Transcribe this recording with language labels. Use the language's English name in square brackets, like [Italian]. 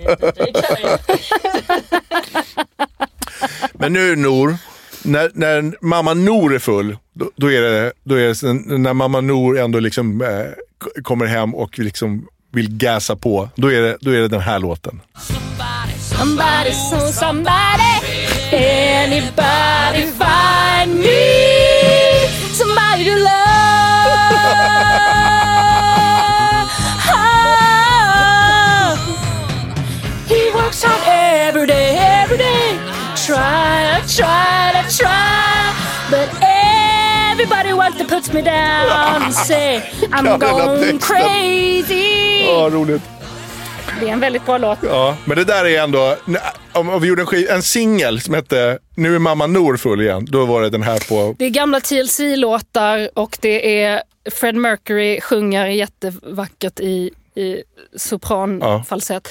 [Swedish] i DJ-slarv. Men nu, Nor, när mamma Nor är full, då är det när mamma Nor ändå liksom kommer hem och liksom vill gasa på, då är det den här låten. [English] Somebody, somebody, somebody, anybody find me, somebody to love. Oh, he works hard every day, every day. Try, try, try, but everybody wants to put me down and say I'm going crazy. [Swedish] Ja, roligt. Det är en väldigt bra låt. Ja, men det där är ändå, om vi gjorde en singel som hette Nu är mamma Nor full igen, då var det den här på. Det är gamla TLC-låtar och det är Fred Mercury sjunger jättevackert i sopranfalsett.